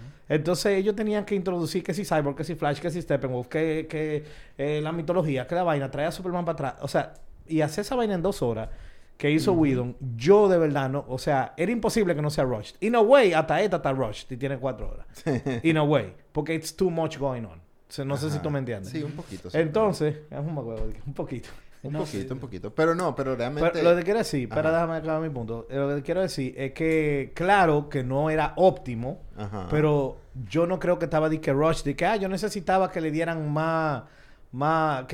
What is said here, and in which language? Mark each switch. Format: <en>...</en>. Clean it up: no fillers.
<es>Entonces ellos tenían que introducir que si Cyborg, que si Flash, que si Steppenwolf, que la mitología, que la vaina, trae a Superman para atrás. O sea, y hacer esa vaina en 2 horas que hizo Whedon, yo de verdad no, o sea, era imposible que no sea rushed.</es> <en>In a way,</en> <es>hasta esta está rushed y tiene 4 horas.</es> <en>In a way, porque it's too much going on.</en> <es>O sea, no sé si tú me entiendes. Sí, un poquito. Entonces, un poquito. Un poquito. Pero no, pero realmente... Déjame aclarar mi punto. Lo que quiero decir es que, claro, que no era óptimo. Ajá. Pero yo no creo que estaba yo necesitaba que le dieran más...</es>